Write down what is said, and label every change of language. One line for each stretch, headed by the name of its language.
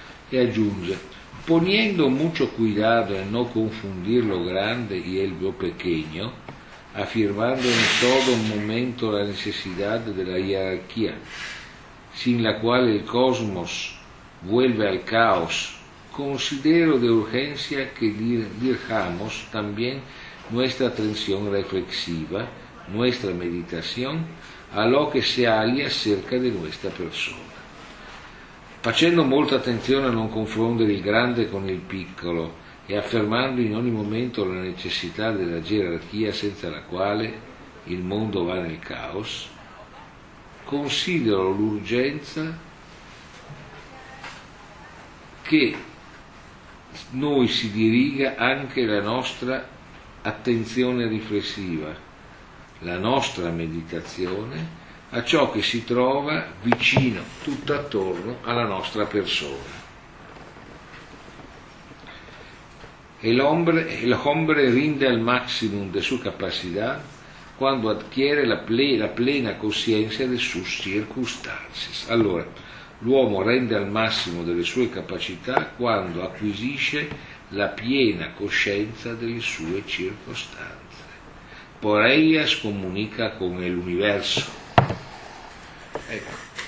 Italian: E aggiunge,
Spanish: poniendo mucho cuidado a non confundir lo grande y el lo pequeño, afirmando en todo momento la necesidad de la jerarquía, sin la cual el cosmos vuelve al caos, considero de urgencia que dirijamos también nuestra atención reflexiva, nuestra meditación, a lo que se halla cerca de nuestra persona.
Italian: Facendo molta attenzione a non confondere il grande con il piccolo, e affermando in ogni momento la necessità della gerarchia senza la quale il mondo va nel caos, considero l'urgenza che noi si diriga anche la nostra attenzione riflessiva, la nostra meditazione, a ciò che si trova vicino, tutto attorno alla nostra persona.
Spanish: El hombre rinde al máximo de su capacidad cuando adquiere la plena conciencia de sus circunstancias.
Italian: Allora, l'uomo rende al massimo delle sue capacità quando acquisisce la piena coscienza delle sue circostanze.
Spanish: Por ellas comunica con el universo. Ecco.